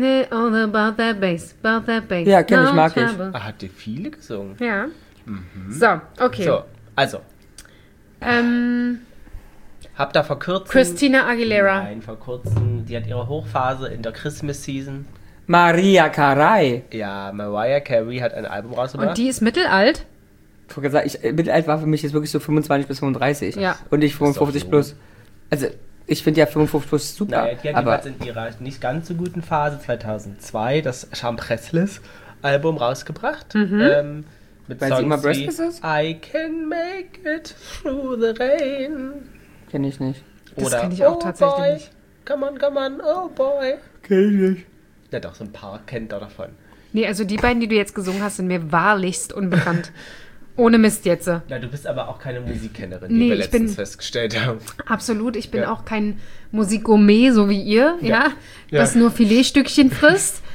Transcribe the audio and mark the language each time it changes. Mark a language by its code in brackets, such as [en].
[en] All about that bass, about that bass. [de] Ja, kenn ich, mag ich. Ah, hat die viele gesungen? Ja. Mhm. So, okay. So, also. Hab da vor kurzem... Christina Aguilera. Nein, vor kurzem. Die hat ihre Hochphase in der Christmas-Season. Mariah Carey. Ja, Mariah Carey hat ein Album rausgebracht. Und die ist mittelalt? Mittelalt war für mich jetzt wirklich so 25 bis 35. Ja. Und ich 55 plus. Schon. Also, ich finde ja 55 plus super. Ja, die hat jetzt in ihrer nicht ganz so guten Phase 2002 das Chambresles-Album rausgebracht. Mhm. Mit Songs immer wie ist? [en] I can make it through the rain. [de] Kenn ich nicht. Oder das kenn ich auch tatsächlich nicht. [en] Come on, come on, oh boy. [de] Kenn ich nicht. Ja doch, so ein paar kennt er davon. Nee, also die beiden, die du jetzt gesungen hast, sind mir wahrlichst unbekannt. Ohne Mist jetzt. Ja, du bist aber auch keine Musikkennerin, wie wir letztens festgestellt haben. Absolut, ich bin auch kein Musikgourmet, so wie ihr, das nur Filetstückchen frisst.